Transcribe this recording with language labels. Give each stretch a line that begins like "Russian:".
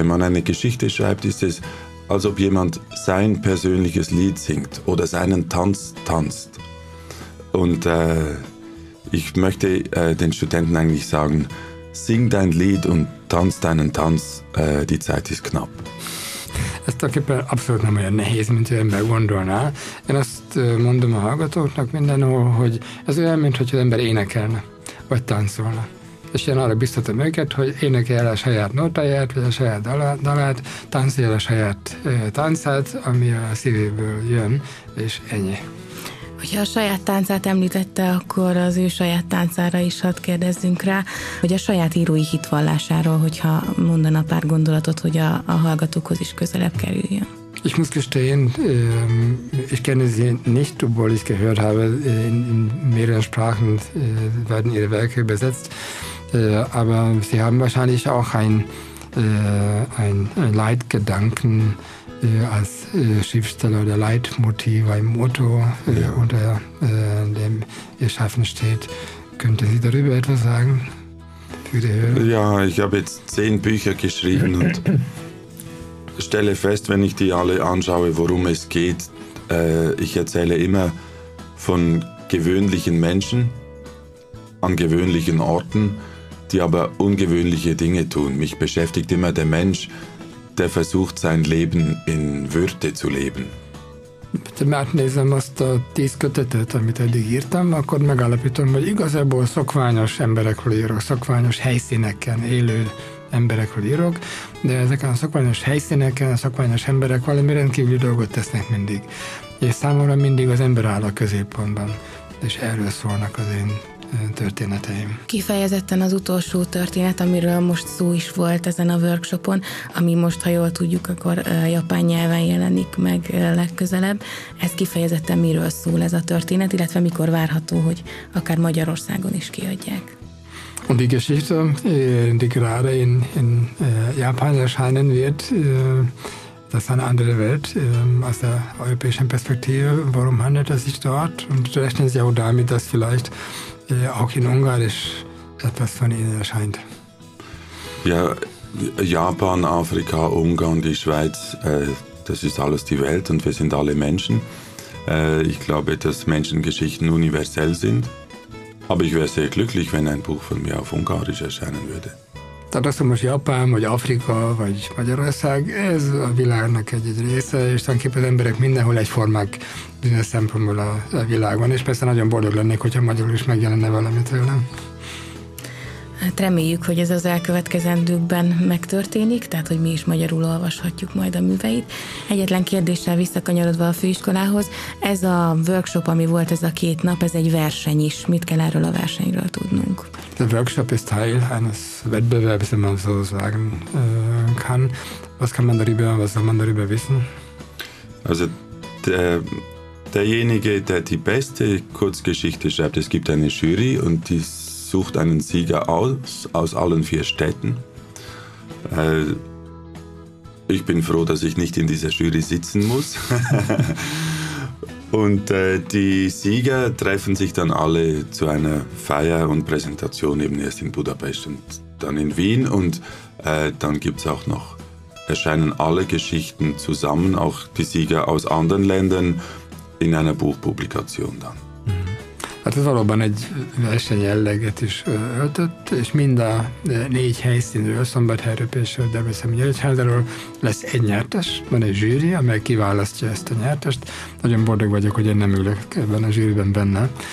German: Wenn man eine Geschichte schreibt, ist es, als ob jemand sein persönliches Lied singt oder seinen Tanz tanzt. Und ich möchte den Studenten eigentlich sagen, sing dein Lied und tanz deinen Tanz, die Zeit ist knapp.
Hungarian: Ezt a képpel abszolút nem olyan nehéz, mint hogy ember gondolná. Én azt mondom a hallgatóknak mindenhol, hogy ez olyan, mint hogy az ember énekelne, vagy táncolna. És én arra biztatom őket, hogy énekel a saját notáját, vagy a saját dalát, táncol a saját táncát, ami a szívéből jön, és ennyi. Hogyha a saját táncát említette, akkor az ő saját táncára is hadd kérdezzünk rá, hogy a saját írói hitvallásáról, hogyha mondana pár gondolatot, hogy a hallgatókhoz is közelebb kerüljön.
German: Ich muss gestehen, ich kenne sie nicht, obwohl ich gehört habe, in mehreren Sprachen werden ihre Werke übersetzt. Aber sie haben wahrscheinlich auch ein Leitgedanken als Schriftsteller oder Leitmotiv, ein Motto, unter dem ihr Schaffen steht. Könnten Sie darüber etwas sagen? Ja, ich habe jetzt 10 Bücher geschrieben und stelle fest, wenn ich die alle anschaue, worum es geht. Ich erzähle immer von gewöhnlichen Menschen an gewöhnlichen Orten, die aber ungewöhnliche Dinge tun. Mich beschäftigt immer der Mensch, der versucht, sein Leben in Würde zu leben. Bitte merken Sie, was da dies
Hungarian: kötetet, amit eddig írtam, akkor megállapítom, hogy igazából szokványos emberekről írok, szokványos helyszíneken élő emberekről írok, de ezeken a szokványos helyszíneken, a szokványos emberek valami rendkívüli dolgot tesznek mindig. És számomra mindig az ember áll a középpontban, és erről szólnak az én történeteim. Kifejezetten az utolsó történet, amiről most szó is volt ezen a workshopon, ami most, ha jól tudjuk, akkor japán nyelven jelenik meg legközelebb. Ez kifejezetten miről szól ez a történet, illetve mikor várható, hogy akár Magyarországon is kiadják?
German: Und die Geschichte, die gerade in Japan erscheinen wird, das ist eine andere Welt aus der europäischen Perspektive. Warum handelt es sich dort? Und rechnen Sie auch damit, dass vielleicht auch in Ungarisch etwas von Ihnen erscheint? Ja, Japan, Afrika, Ungarn, die Schweiz, das ist alles die Welt und wir sind alle Menschen. Ich glaube, dass Menschengeschichten universell sind. Aber ich wäre sehr glücklich, wenn ein Buch von mir auf Ungarisch erscheinen würde.
Hungarian: Tehát azt mondom, hogy Japán, vagy Afrika, vagy Magyarország, ez a világnak egy része, és tulajdonképpen az emberek mindenhol egyformák bizonyos szempontból a világban, és persze nagyon boldog lennék, hogyha magyarul is megjelenne valami tőlem. Hát reméljük, hogy ez az elkövetkezendőkben megtörténik, tehát hogy mi is magyarul olvashatjuk majd a műveit. Egyetlen kérdéssel visszakanyarodva a főiskolához, ez a workshop, ami volt ez a 2 nap, ez egy verseny is. Mit kell erről a versenyről tudnunk?
German: Der Workshop ist Teil eines Wettbewerbs, wenn man so sagen kann. Was kann man darüber, was soll man darüber wissen? Also derjenige, der die beste Kurzgeschichte schreibt, es gibt eine Jury und die sucht einen Sieger aus allen 4 Städten. Ich bin froh, dass ich nicht in dieser Jury sitzen muss. Und die Sieger treffen sich dann alle zu einer Feier und Präsentation, eben erst in Budapest und dann in Wien. Und dann gibt es auch noch erscheinen alle Geschichten zusammen, auch die Sieger aus anderen Ländern, in einer Buchpublikation dann.
Hungarian: Hát ez valóban egy versenyjelleget is öltött, és mind a négy helyszínről, Szombathelyről, Pécsről, Debrecenről, Nyíregyházáról lesz egy nyertes, van egy zsűri, amely kiválasztja ezt a nyertest. Nagyon boldog vagyok, hogy én nem ülök ebben a zsűriben benne.